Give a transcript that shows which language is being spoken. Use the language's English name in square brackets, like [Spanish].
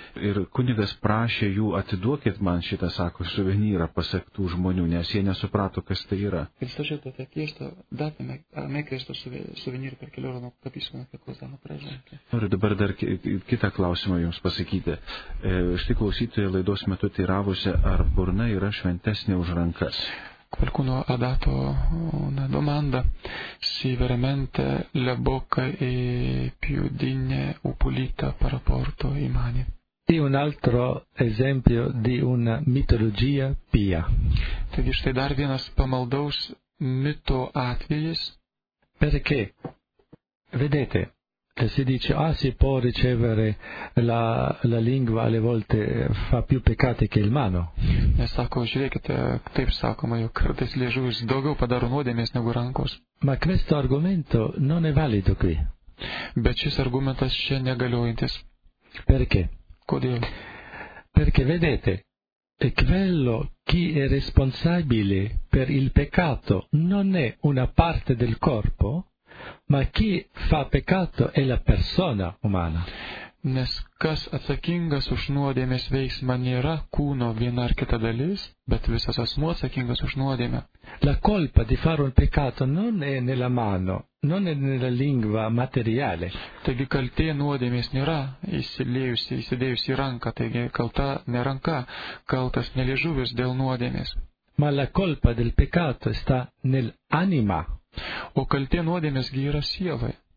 [Lithuanian] Ir kunigas prašė jų, atiduokit man šitą, sako, suvenyrą pasektų žmonių, nes jie nesuprato, kas tai yra. Ir sužiūrėjau, kad atėjo, datėme, ar ne kresto suvenyr per keliorono kapisimą, apie ko zano prežinti. Noriu dabar dar kitą klausimą jums pasakyti. Štai klausytoje laidos metu teiravusi, ar burna yra šventesnė už rankas. [Italian] Qualcuno ha dato una domanda, sì, veramente la bocca è più degna o pulita per rapporto ai mani. E un altro esempio di una mitologia pia. Quindi c'è [Lithuanian] dar vienas pamaldaus mito atvejis. [Italian] Perché? Vedete, si dice, si può ricevere la lingua, alle volte fa più peccati che il mano. [Lithuanian] Nes sako, žiūrėkite, taip sakoma, jog kartais liežuvis daugiau padaro nuodėmės negu rankos. [Italian] Ma questo argomento non è valido qui. [Lithuanian] Bet šis argumentas čia negaliojantis. [Italian] Perché? [Lithuanian] Kodėl? [Italian] Perché, vedete, è quello chi è responsabile per il peccato non è una parte del corpo, Ma chi fa peccato è la persona umana. [Lithuanian] Nes kas atsakingas už nuodėmės veiksmą nėra kūno viena ar kita dalis, bet visas asmuo atsakingas už nuodėmę. [Italian] La colpa di fare un peccato non è nella mano, non è nella lingua materiale. [Lithuanian] Taigi kaltė nuodėmės nėra įsidėjusi į ranką, taigi kalta ne ranka, kaltas neliežuvis dėl nuodėmės. [Italian] Ma la colpa del peccato sta nell'anima. [Lithuanian] O kaltė nuodėmės gi yra sielai.